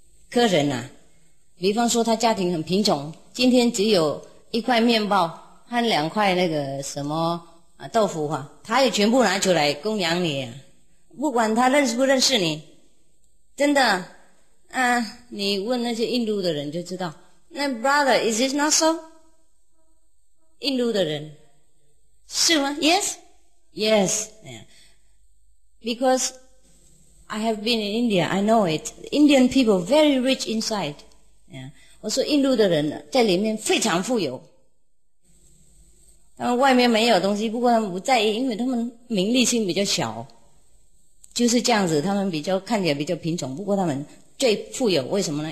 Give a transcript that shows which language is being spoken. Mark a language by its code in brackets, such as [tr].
[zh] 客人啊，比方说他家庭很贫穷，今天只有一块面包和两块那个什么豆腐啊，他也全部拿出来供养你啊，不管他认识不认识你，真的啊。你问那些印度的人就知道，那 [en] brother is this not so？ [zh] 印度的人是吗 [en] ？Yes， yes， because I have been in India， I know it。 Indian people very rich inside， [zh] 我说印度的人在里面非常富有。他们外面没有东西，不过他们不在意，因为他们名利心比较小，就是这样子。他们比较看起来比较贫穷，不过他们最富有。为什么呢？